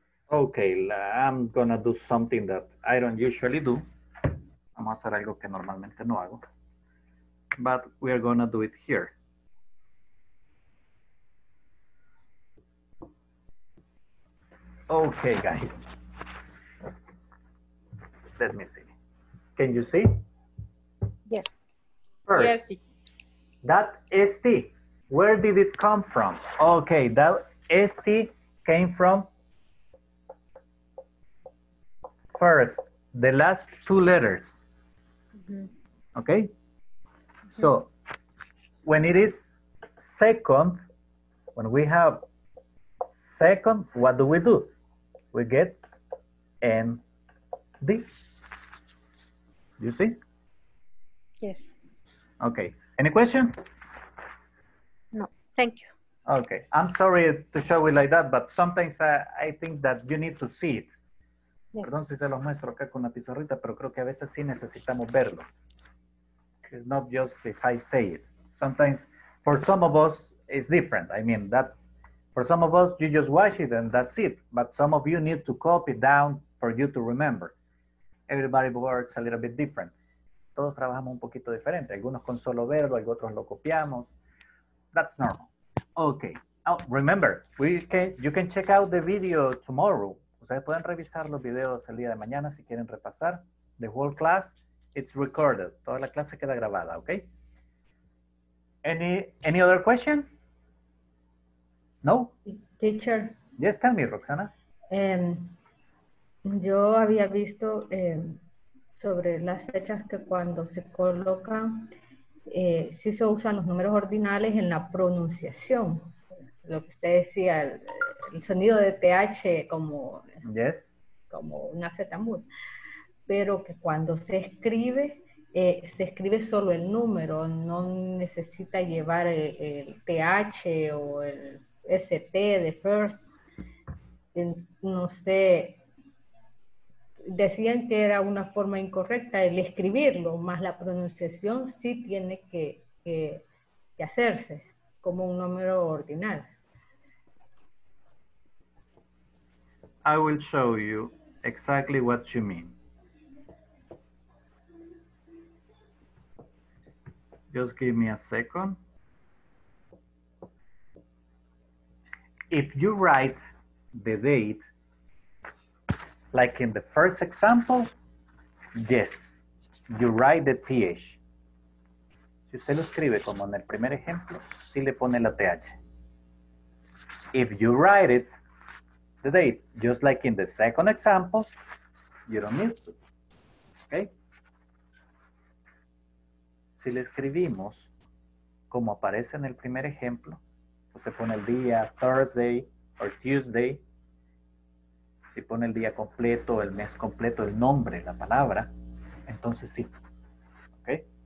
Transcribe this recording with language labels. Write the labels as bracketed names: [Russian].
[English] Okay, I'm gonna do something that I don't usually do. [Spanish] Vamos a hacer algo que normalmente no hago. [English] But we are gonna do it here. Okay, guys. Let me see. Can you see? Yes. First, that ST, where did it come from? Okay, that ST came from first, the last two letters. Mm-hmm. Okay? Mm-hmm. So, when it is second, when we have second, what do? We get ND. You see? Yes. Okay. Any questions? No. Thank you. Okay. I'm sorry to show it like that, but sometimes I think that you need to see it. [Spanish] Perdón si se los muestro acá con la pizarrita, pero creo que a veces sí necesitamos verlo. [English] It's not just if I say it. Sometimes, for some of us, it's different. I mean, that's for some of us, you just watch it and that's it. But some of you need to copy down for you to remember. Everybody works a little bit different. [Spanish] Todos trabajamos un poquito diferente. Algunos con solo verlo, otros lo copiamos. [English] That's normal. Okay. Oh, remember, you can check out the video tomorrow. [Spanish] Ustedes pueden revisar los videos el día de mañana si quieren repasar. [English] The whole class, it's recorded. [Spanish] Toda la clase queda grabada, [English] ¿ok? Any other question? No? Teacher. Yes, tell me, Roxana. [Spanish] Yo había visto sobre las fechas que cuando se coloca, si se usan los números ordinales en la pronunciación. Lo que usted decía, el sonido de TH como, [English] yes, [Spanish] como una Z mood. Pero que cuando se escribe solo el número, no necesita llevar el TH o el ST de first. No sé, decían que era una forma incorrecta el escribirlo, más la pronunciación sí tiene que hacerse como un número ordinal. [English] I will show you exactly what you mean. Just give me a second. If you write the date, like in the first example, yes, you write the TH. [Spanish] Si usted lo escribe como en el primer ejemplo, sí le pone la TH. [English] if you write it, the date, just like in the second example, you don't need to. Okay? [Spanish] Si le escribimos como aparece en el primer ejemplo, usted pone el día Thursday or Tuesday, si pone el día completo, el mes completo, el nombre, la palabra, entonces sí. Okay?